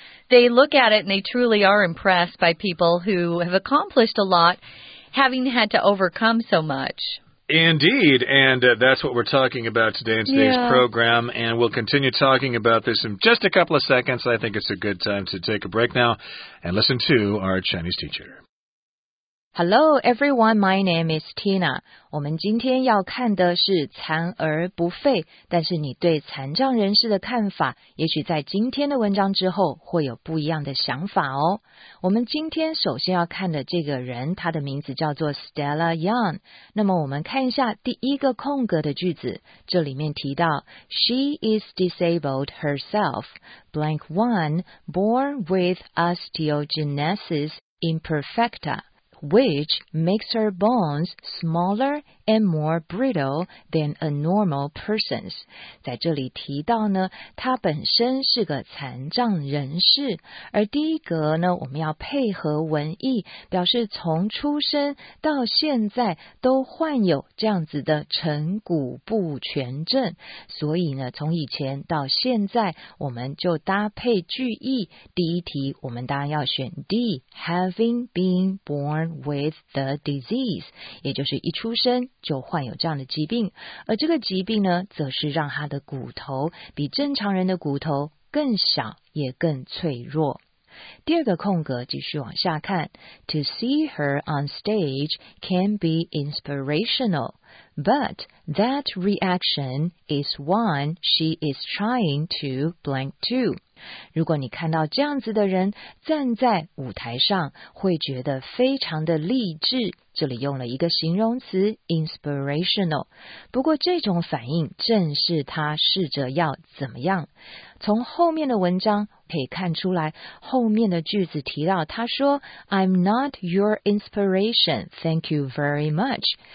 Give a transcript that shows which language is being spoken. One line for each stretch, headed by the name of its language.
English: They look at it and they truly are impressed by people who have accomplished a lot, having had to overcome so much. Indeed, and that's what we're talking about today in today's program, and we'll continue talking about this in just a couple of seconds. I think it's a good time to take a break now and listen to our Chinese teacher. Hello, everyone. My name is Tina.
Chinese: 我们今天要看的是残而不废，但是你对残障人士的看法，也许在今天的文章之后会有不一样的想法哦。我们今天首先要看的这个人，他的名字叫做 Stella Young。那么我们看一下第一个空格的句子，这里面提到
English: She is disabled herself, blank one, born with osteogenesis imperfecta. Which makes her bones smaller and more brittle than a normal person's.
Chinese: 在这里提到呢，她本身是个残障人士，而第一格呢，我们要配合文意，表示从出生到现在都患有这样子的成骨不全症。所以呢，从以前到现在，我们就搭配句意。第一题，我们当然要选 D,
English: having been born. With the disease,
Chinese: 也就是一出生就患有这样的疾病，而这个疾病呢，则是让他的骨头比正常人的骨头更小，也更脆弱。第二个空格继续往下看
English: ，To see her on stage can be inspirational, but that reaction is one she is trying to blank to.
Chinese: 如果你看到这样子的人站在舞台上，会觉得非常的励志。这里用了一个形容词 inspirational， 不过这种反应正是他试着要怎么样。从后面的文章可以看出来，后面的句子提到他说
English: I'm not your inspiration, thank you very much。